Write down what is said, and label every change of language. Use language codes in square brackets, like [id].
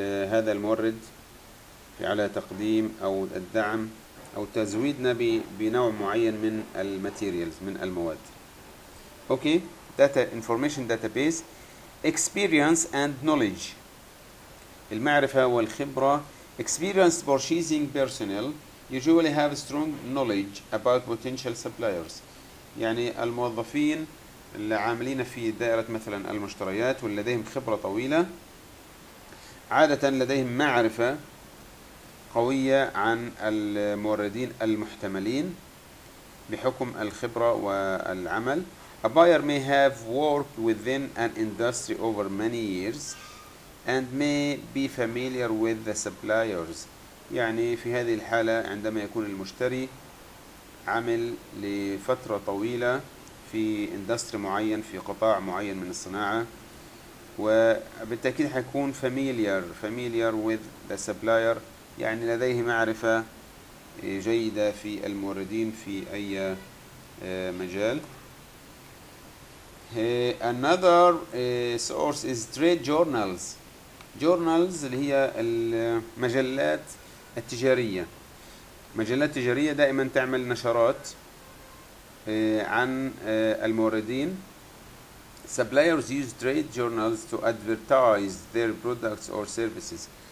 [ar] هذا المورد على تقديم أو الدعم أو تزويدنا بنوع معين من الماتيريالز، من المواد. [en] okay, data information database, experience and knowledge, [ar] المعرفة والخبرة. [en] Experienced purchasing personnel usually have strong knowledge about potential suppliers. [ar] يعني الموظفين العاملين في دائرة مثلا المشتريات ولديهم خبرة طويلة، عادة لديهم معرفة قوية عن الموردين المحتملين بحكم الخبرة والعمل. [en] A buyer may have worked within an industry over many years and may be familiar with the suppliers. [ar] يعني في هذه الحالة عندما يكون المشتري عمل لفترة طويلة في اندستري معين، في قطاع معين من الصناعة، وبالتأكيد حيكون [en] familiar with the supplier، [ar] يعني لديه معرفة جيدة في الموردين في أي مجال. [en] Another source is trade journals. [ar] Journals اللي هي المجلات التجارية، مجلات تجارية دائما تعمل نشرات عن الموردين. [en] Suppliers use trade journals to advertise their products or services.